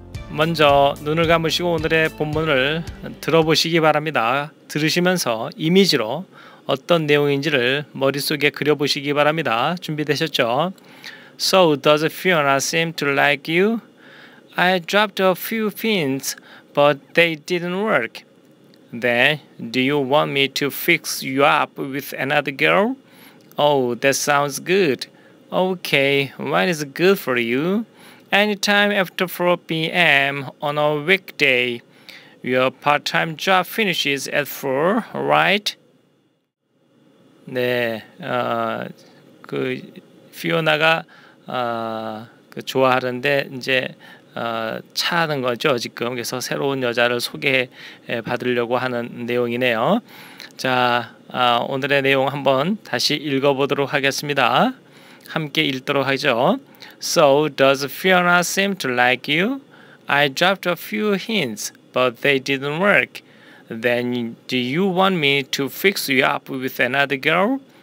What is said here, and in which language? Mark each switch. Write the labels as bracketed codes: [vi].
[ko] 먼저 눈을 감으시고 오늘의 본문을 들어보시기 바랍니다. 들으시면서 이미지로 어떤 내용인지를 머릿속에 그려보시기 바랍니다. 준비되셨죠? [en] So does Fiona seem to like you? I dropped a few hints, but they didn't work. Then, do you want me to fix you up with another girl? Oh, that sounds good. Okay, what is good for you? Anytime after 4 p.m. on a weekday. Your part-time job finishes at 4, right? [ko] 네, 그 피오나가 그 좋아하는데 이제 차는 거죠 지금. 그래서 새로운 여자를 소개해 받으려고 하는 내용이네요. 자, 오늘의 내용 한번 다시 읽어보도록 하겠습니다. 함께 읽도록 하죠. [en] So does Fiona seem to like you? I dropped a few hints, but they didn't work. Then do you want me to fix you up with another girl?